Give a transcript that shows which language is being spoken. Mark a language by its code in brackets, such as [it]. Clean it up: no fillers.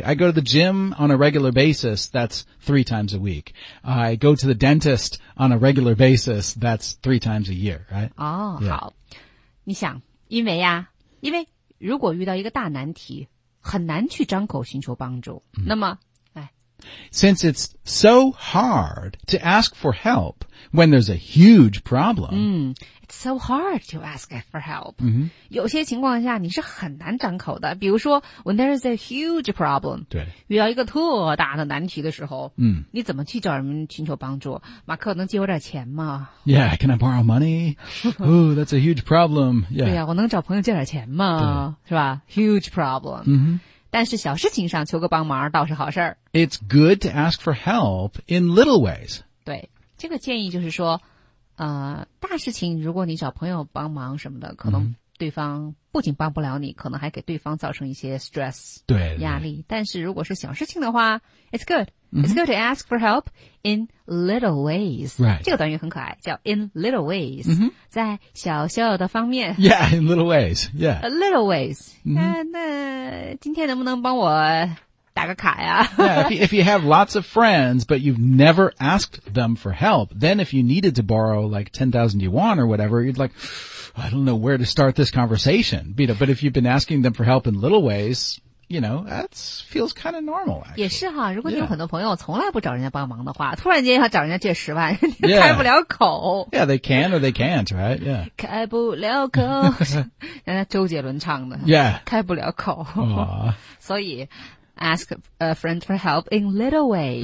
[en] I go to the gym on a regular basis. That's three times a week. I go to the dentist on a regular basis. That's three times a year, right? 哦、yeah. 好。 [zh] 你想因为呀、啊、因为如果遇到一个大难题很难去张口寻求帮助。 Mm-hmm. 那么 [en] Since it's so hard to ask for help when there's a huge problem. Mm, it's so hard to ask for help.、 Mm-hmm. [zh] 有些情况下你是很难张口的。比如说 [en] when there's a huge problem. [zh] 对。遇到一个特大的难题的时候、 mm. 你怎么去找人寻求帮助马克能借我点钱吗 [en] Yeah, can I borrow money? Oh, that's a huge problem. Yeah. [zh] 对呀、啊、我能找朋友借点钱吗是吧 ? [en] Huge problem.、 Mm-hmm. [zh] 但是小事情上求个帮忙倒是好事儿。 [en] It's good to ask for help in little ways. [zh] 对，这个建议就是说，大事情如果你找朋友帮忙什么的，可能对方不仅帮不了你，可能还给对方造成一些 stress，对，压力。但是如果是小事情的话 ， [en] it's good. It's good to ask for help in little ways. Right. [zh] 这个短语很可爱，叫 [en] in little ways，、 mm-hmm. [zh] 在小小的方面。 [en] Yeah, in little ways. Yeah. A little ways.、Mm-hmm. [zh] 那今天能不能帮我打个卡呀 [en] ？Yeah. If you have lots of friends, but you've never asked them for help, then if you needed to borrow like 10,000 yuan or whatever, you'd like. I don't know where to start this conversation, Bita, but if you've been asking them for help in little ways, you know, that feels kind of normal, actually. [zh] 也是哈，如果你有很多朋友从来不找人家帮忙的话，突然间要找人家借十万，你开不了口。 [en] Yeah, they can or they can't, right? Yeah. [zh] 开不了口。人家周杰伦唱的。 [en] Yeah. [zh] 开不了口。所以 [en] ask a friend for help in little ways,、